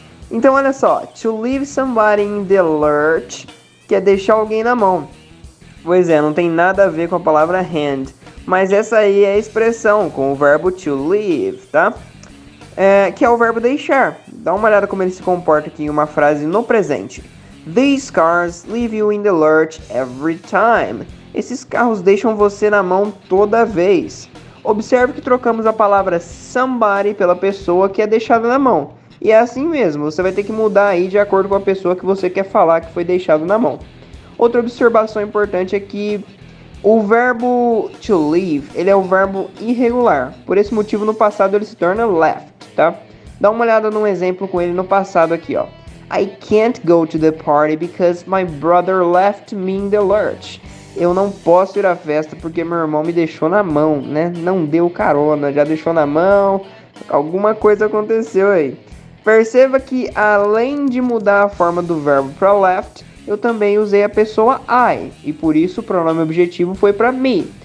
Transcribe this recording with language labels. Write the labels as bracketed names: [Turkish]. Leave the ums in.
[Portuguese] Então olha só, [English] to leave somebody in the lurch, [Portuguese] que é deixar alguém na mão. Pois é, não tem nada a ver com a palavra hand, mas essa aí é a expressão com o verbo to leave, tá? É, que é o verbo deixar. Dá uma olhada como ele se comporta aqui em uma frase no presente. [English] These cars leave you in the lurch every time. [Portuguese] Esses carros deixam você na mão toda vez. Observe que trocamos a palavra somebody pela pessoa que é deixada na mão. E é assim mesmo, você vai ter que mudar aí de acordo com a pessoa que você quer falar que foi deixado na mão. Outra observação importante é que o verbo to leave, ele é um verbo irregular. Por esse motivo, no passado ele se torna left, tá? Dá uma olhada num exemplo com ele no passado aqui, ó. [English] I can't go to the party because my brother left me in the lurch. [Portuguese] Eu não posso ir à festa porque meu irmão me deixou na mão, né? Não deu carona, já deixou na mão. Alguma coisa aconteceu aí. Perceba que além de mudar a forma do verbo para left, eu também usei a pessoa I, e por isso o pronome objetivo foi para me.